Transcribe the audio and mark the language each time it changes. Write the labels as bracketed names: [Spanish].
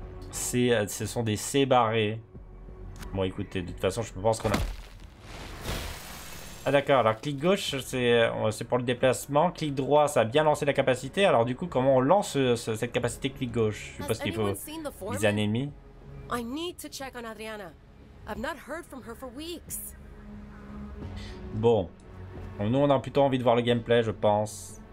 [French] Ce sont des C barrés. Bon, écoutez, de toute façon, je pense qu'on a... Ah d'accord, alors clic gauche c'est pour le déplacement, clic droit ça a bien lancé la capacité, alors du coup comment on lance cette capacité clic gauche? Je suppose qu'il faut viser un ennemi. [English] I need to check on Adriana. I've not heard from her for weeks. [French] Bon, nous on a plutôt envie de voir le gameplay je pense.